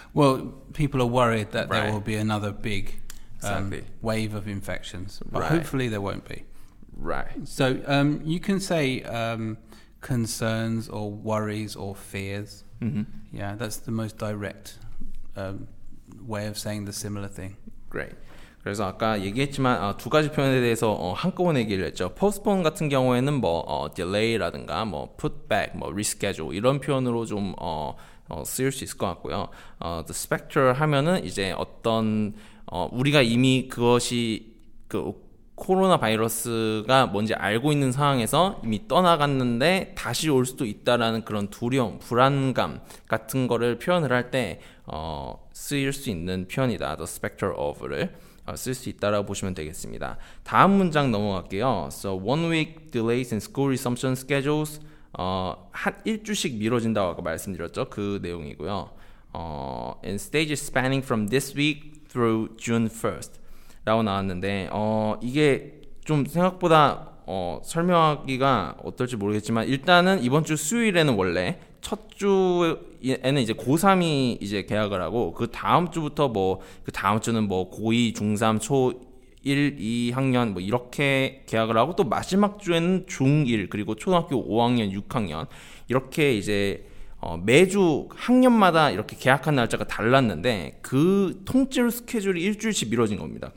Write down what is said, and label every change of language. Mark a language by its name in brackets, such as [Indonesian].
[English] Well, people are worried that right. there will be another big exactly. wave of infections, but right. hopefully there won't be. Right. So you can say concerns or worries or fears. Mm-hmm. Yeah, that's the most direct way of saying the similar thing. Great. [Korean] 그래서 아까 얘기했지만 두 가지 표현에 대해서 한꺼번에 얘기를 했죠. Postpone 같은 경우에는 뭐 delay라든가 뭐 put back, 뭐 reschedule 이런 표현으로 좀 쓰일 수 있을 것 같고요. The specter 하면은 이제 어떤 우리가 이미 그것이 그 코로나 바이러스가 뭔지 알고 있는 상황에서 이미 떠나갔는데 다시 올 수도 있다라는 그런 두려움, 불안감 같은 거를 표현을 할 때 쓰일 수 있는 표현이다. The specter of를 쓸 수 있다라고 보시면 되겠습니다. 다음 문장 넘어갈게요. [English] So one week delays in school resumption schedules. [Korean] 한 일주씩 미뤄진다고 아까 말씀드렸죠. 그 내용이고요. [English] In stages spanning from this week through June 1st. [Korean] 라고 나왔는데 이게 좀 생각보다 설명하기가 어떨지 모르겠지만 일단은 이번 주 수요일에는 원래 첫 주에는 이제 고3이 이제 개학을 하고 그 다음 주부터 뭐 그 다음 주는 뭐 고2, 중3, 초1, 2학년 뭐 이렇게 개학을 하고 또 마지막 주에는 중1 그리고 초등학교 5학년, 6학년 이렇게 이제 매주 학년마다 이렇게 계약한 날짜가 달랐는데 그 통째로 스케줄이 일주일씩 미뤄진 겁니다.